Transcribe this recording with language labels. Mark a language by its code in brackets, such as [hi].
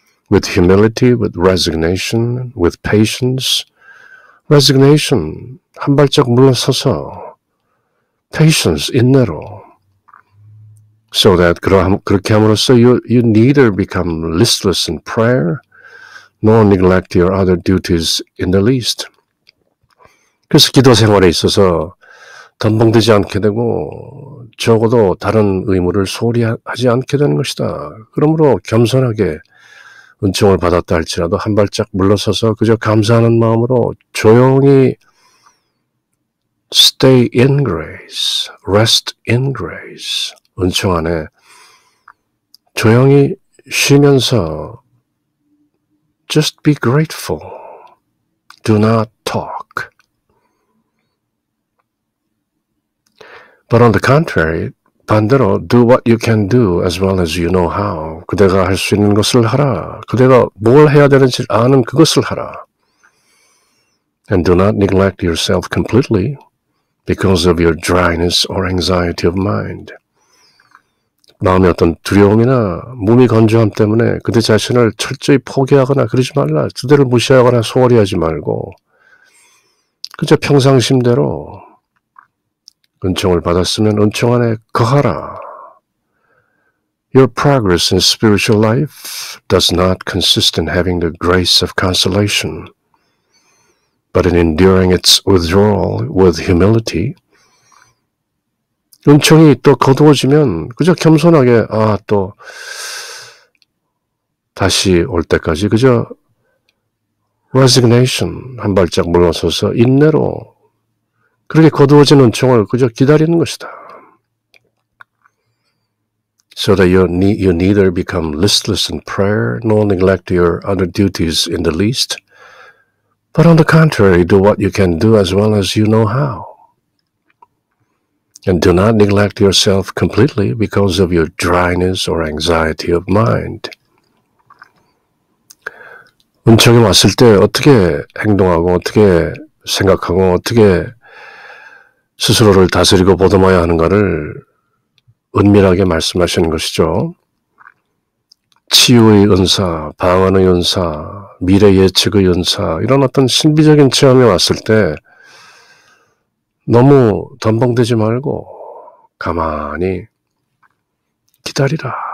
[en] With humility, with resignation, with patience, resignation, [ko] 한 발짝 물러서서, [en] patience, [ko] 인내로, [en] So that, [ko] 그렇게 함으로써, [en] you neither become listless in prayer, nor neglect your other duties in the least. [ko] 그래서 기도 생활에 있어서 덤벙대지 않게 되고, 적어도 다른 의무를 소홀히 하지 않게 되는 것이다. 그러므로 겸손하게 은총을 받았다 할지라도 한 발짝 물러서서 그저 감사하는 마음으로 조용히 [en] stay in grace, rest in grace. [ko] 은총 안에 조용히 쉬면서 [en] just be grateful. Do not talk. But on the contrary, [ko] 반대로 [en] do what you can do as well as you know how. [ko] 그대가 할 수 있는 것을 하라. 그대가 뭘 해야 되는지 아는 그것을 하라. [en] And do not neglect yourself completely because of your dryness or anxiety of mind. [ko] 마음의 어떤 두려움이나 몸이 건조함 때문에 그대 자신을 철저히 포기하거나 그러지 말라. 그대를 무시하거나 소홀히 하지 말고 그저 평상심대로 은총을 받았으면 은총 안에 거하라. [en] Your progress in spiritual life does not consist in having the grace of consolation, but in enduring its withdrawal with humility. [ko] 은총이 또 거두어지면 그저 겸손하게 아, 또 다시 올 때까지 그저 resignation, 한 발짝 물러서서 인내로 그렇게 거두어진 은총을 그저 기다리는 것이다. [en] So that you neither become listless in prayer nor neglect your other duties in the least, but on the contrary, do what you can do as well as you know how. And do not neglect yourself completely because of your dryness or anxiety of mind. [ko] 은총이 왔을 때 어떻게 행동하고 어떻게 생각하고 어떻게 스스로를 다스리고 보듬어야 하는가를 은밀하게 말씀하시는 것이죠. 치유의 은사, 방언의 은사, 미래 예측의 은사 이런 어떤 신비적인 체험이 왔을 때 너무 덤벙대지 말고 가만히 기다리라.